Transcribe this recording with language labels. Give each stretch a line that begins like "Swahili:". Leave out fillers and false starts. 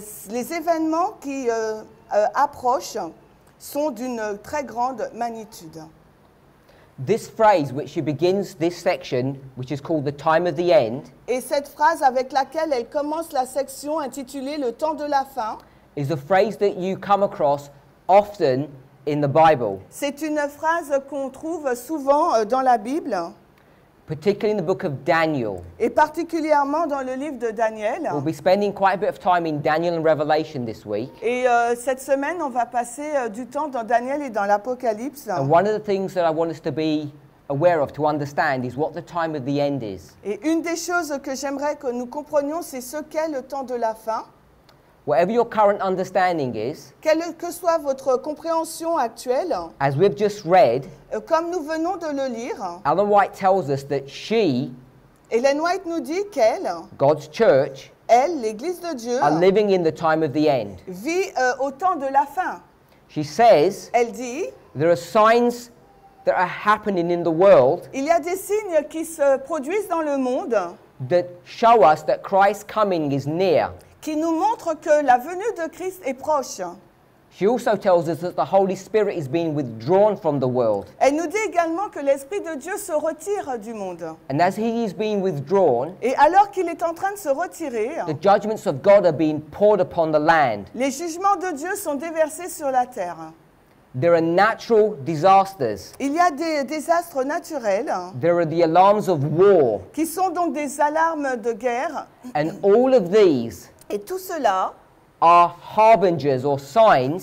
French: Les événements qui approchent sont d'une très grande magnitude.
English: This phrase which she begins this section, which is called the time of the end,
French: et cette phrase avec laquelle elle commence la section intitulée le temps de la fin,
English: is a phrase that you come across often in the Bible.
French: C'est une phrase qu'on trouve souvent dans la Bible.
English: Particularly in the book of Daniel.
French: Et particulièrement dans le livre de Daniel.
English: We'll be spending quite a bit of time in Daniel and Revelation this week.
French: Et cette semaine, on va passer du temps dans Daniel et dans l'Apocalypse.
English: And one of the things that I want us to be aware of, to understand, is what the time of the end is.
French: Et une des choses que j'aimerais que nous comprenions, c'est ce qu'est le temps de la fin.
English: Whatever your current understanding is,
French: quelle que soit votre compréhension actuelle,
English: as we've just read,
French: comme nous venons de le lire,
English: Ellen White tells us that she,
French: Ellen White nous dit qu'elle,
English: God's church,
French: elle, l'église de Dieu,
English: are living in the time of the end.
French: Vit au temps de la fin.
English: She says,
French: elle dit,
English: there are signs that are happening in the world.
French: Il y a des signes qui se produisent dans le monde
English: that show us that Christ's coming is near.
French: Qui nous montre que la venue de Christ est proche.
English: She also tells us that the Holy Spirit is being withdrawn from the world.
French: Elle nous dit également que l'Esprit de Dieu se retire du monde.
English: And as he is being withdrawn,
French: et alors qu'il est en train de se retirer,
English: the judgments of God are being poured upon the land.
French: Les jugements de Dieu sont déversés sur la terre.
English: There are natural disasters.
French: Il y a des désastres naturels.
English: There are the alarms of war.
French: Qui sont donc des alarmes de guerre.
English: And all of these,
French: et tout cela,
English: are harbingers or signs,